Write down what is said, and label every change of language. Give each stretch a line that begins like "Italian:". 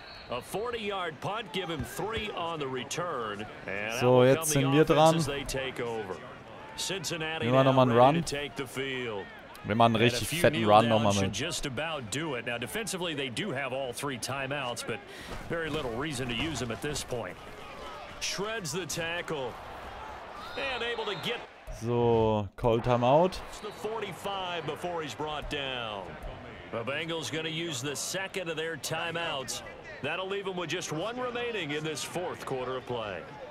English: A 40-yard punt, give him 3 on the return.
German: So, jetzt sind wir dran. Nehmen wir nochmal einen Run. Wir machen einen richtig fetten Run nochmal mit.
English: Now, defensively, they do have all 3 timeouts, but very little reason to use them at this point. Shreds the tackle. And able to get. So, call timeout. It's the 45 before he's brought down. The Bengals gonna use the second of their timeouts. That'll leave them with just one remaining in this fourth quarter of play.